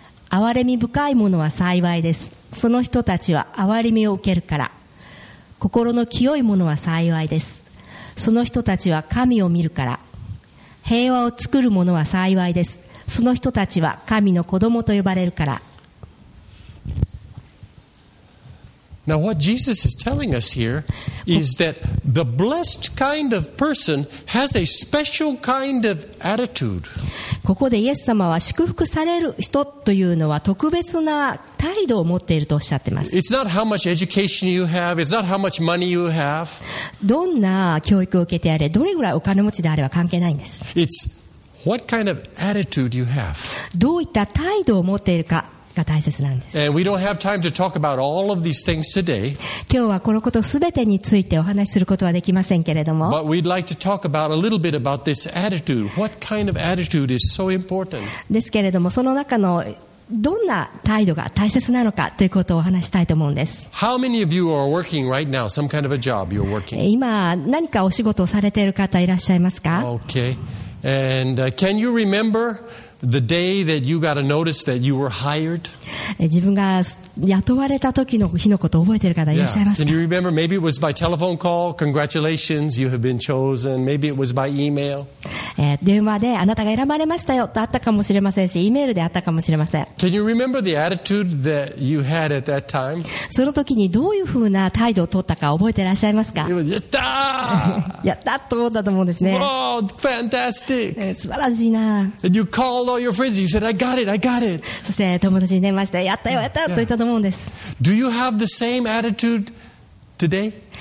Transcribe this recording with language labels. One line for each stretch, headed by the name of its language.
Japanese: 憐れみ深いものは幸いです。その人たちは憐れみを受けるから。心の清いものは幸いです。その人たちは神を見るから。平和を作るものは幸いです。その人たちは神の子供と呼ばれるから。
English: Now what Jesus is telling us here is that the blessed kind of person has a special kind of attitude.
Japanese: ここでイエス様は祝福される人というのは特別な態度を持っているとおっしゃってます。
English: It's not how much education you have. It's not how much money you have.
Japanese: どんな教育を受けてあれ、どれぐらいお金持ちであれは関係ないんです。
English: It's what kind of attitude you have.
Japanese: どういった態度を持っているかが大切なんです。
English: And we don't have time to talk about all of these things today.
Japanese: 今日はこのことすべてについてお話しすることはできませんけれども。
English: But we'd like to talk about a little bit about this attitude. What kind of attitude is so important?
Japanese: ですけれども、その中のどんな態度が大切なのかということをお話したいと思うんです。
English: How many of you are working right now? Some kind of a job you're working.
Japanese: 今何かお仕事をされている方いらっしゃいますか?
English: Okay. And can you remember the day that you got a notice that you were hired?
Japanese: 自分が雇われた時の日のことを覚えている方いらっしゃいますか?
English: Can you remember? Maybe it was by telephone call. Congratulations, you have been chosen. Maybe it was by email.
Japanese: 電話であなたが選ばれましたよとあったかもしれませんし、メールであったかもしれません。
English: Can you remember the attitude that you had at that time?
Japanese: その時にどういうふうな態度を取ったか覚えていらっしゃいますか?
English: It was,
Japanese: やったー! やったと思ったと思うんですね。
English: Wow, fantastic!
Japanese: 素晴らしいな。
English: And you called all your friends. You said, I got it, I got it.
Japanese: そして友達に電話して、やったよ、やったと言ったと思うんです。
English: Do you have the same attitude today?